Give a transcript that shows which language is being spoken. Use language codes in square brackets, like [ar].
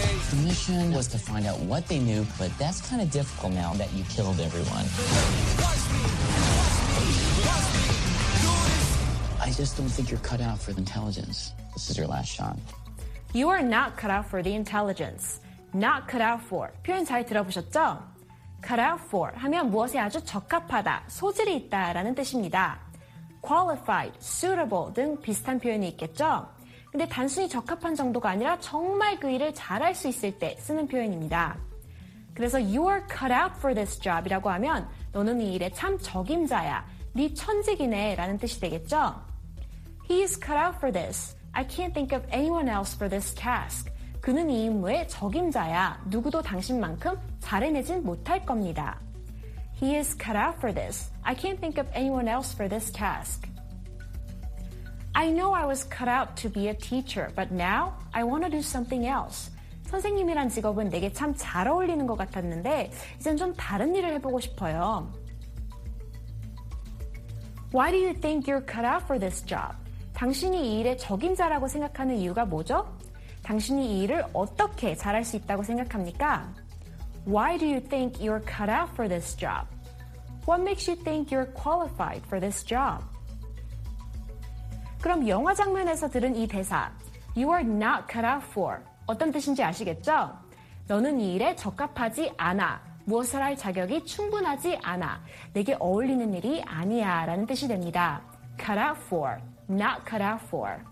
[en] The mission was to find out what they knew, but that's kind of difficult now that you killed everyone. I just don't think you're cut out for the intelligence. This is your last shot. You are not cut out for the intelligence. Not cut out for. [ko] 표현 잘 들어보셨죠? [en] Cut out for [ko] 하면 무엇에 아주 적합하다, 소질이 있다라는 뜻입니다. [en] Qualified, suitable [ko] 등 비슷한 표현이 있겠죠? 근데 단순히 적합한 정도가 아니라 정말 그 일을 잘할 수 있을 때 쓰는 표현입니다. 그래서 [en] you are cut out for this job [ko] 이라고 하면 너는 이 일에 참 적임자야, 네 천직이네 라는 뜻이 되겠죠? [en] He is cut out for this. I can't think of anyone else for this task. [ko] 그는 이 임무의 적임자야. 누구도 당신만큼 잘해내진 못할 겁니다. [en] He is cut out for this. I can't think of anyone else for this task. I know I was cut out to be a teacher, but now I want to do something else. [ko] 선생님이란 직업은 내게 참 잘 어울리는 것 같았는데 이젠 좀 다른 일을 해보고 싶어요. [en] Why do you think you're cut out for this job? [ko] 당신이 이 일의 적임자라고 생각하는 이유가 뭐죠? 당신이 이 일을 어떻게 잘할 수 있다고 생각합니까? [en] Why do you think you're cut out for this job? What makes you think you're qualified for this job? [ko] 그럼 영화 장면에서 들은 이 대사, [en] You are not cut out for, [ko] 어떤 뜻인지 아시겠죠? 너는 이 일에 적합하지 않아, 무엇을 할 자격이 충분하지 않아, 내게 어울리는 일이 아니야 라는 뜻이 됩니다. [en] Cut out for, not cut out for.